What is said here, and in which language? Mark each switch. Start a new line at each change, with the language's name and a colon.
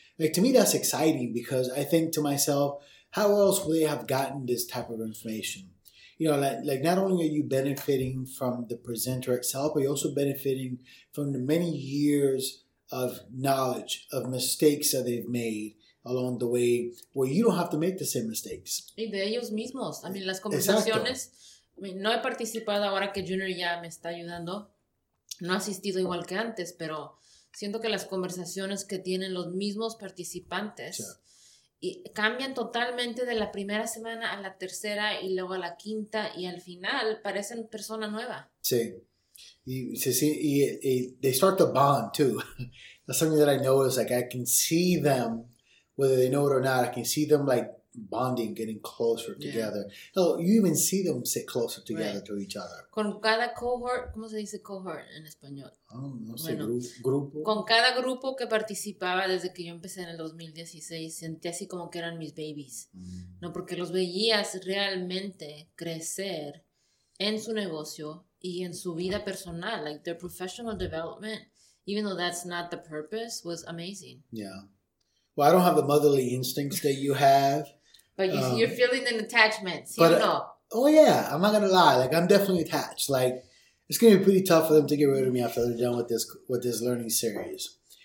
English: Like, to me, that's exciting, because I think to myself, how else would they have gotten this type of information? You know, like not only are you benefiting from the presenter itself, but you're also benefiting from the many years of knowledge, of mistakes that they've made along the way, where you don't have to make the same mistakes.
Spanish: Y de ellos mismos.
English: I mean,
Spanish: las conversaciones. Exacto. I mean, no he participado ahora que Junior ya me está ayudando. no ha asistido igual que antes, pero siento que las conversaciones que tienen los mismos participantes y cambian totalmente de la primera semana a la tercera y luego a la quinta y al final parecen persona nueva. Sí. Y
English: they start to bond too. That's something that I know is like I can see them, whether they know it or not, I can see them like bonding, getting closer together. Yeah. So you even see them sit closer together to each other.
Spanish: Con cada cohort, ¿cómo se dice cohort en español? Grupo. Con cada grupo que participaba desde que yo empecé en el 2016, sentí así como que eran mis babies. Mm. No, porque los veías realmente crecer en su negocio y en su vida personal.
English: Like their professional development, even though that's not the purpose, was amazing. Yeah. Well, I don't have the motherly instincts that you have. But you're feeling an attachment, so but, you know. Oh, yeah. I'm not going to lie. Like, I'm definitely attached. Like, it's going to be pretty tough for them to get rid of me after they're done with this learning series.